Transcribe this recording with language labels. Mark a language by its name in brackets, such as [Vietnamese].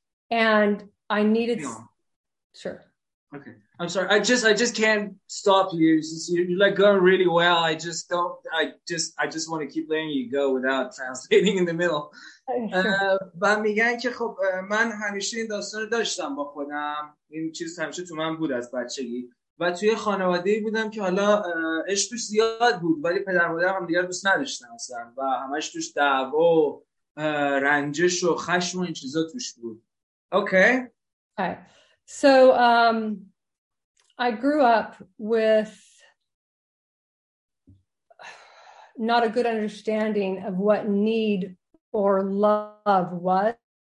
[English] And I needed... Sure. Okay. I'm sorry. I just can't stop you. You're like going really well. I just want to keep letting you go without translating in the middle. But [Persian] میگن که خب من همیشه این داستان رو داشتم با خودم. این چیز همیشه تو من بود از بچگی. و توی خانواده‌ای بودم که حالا عشقش زیاد بود، ولی پدر مادرم هم دیگر دوست نداشتن اصلا، و همش توش دعوا و رنجش و خشم و این چیزا توش بود. [English] Okay. Okay. So I grew up with not a good understanding of what need or love was.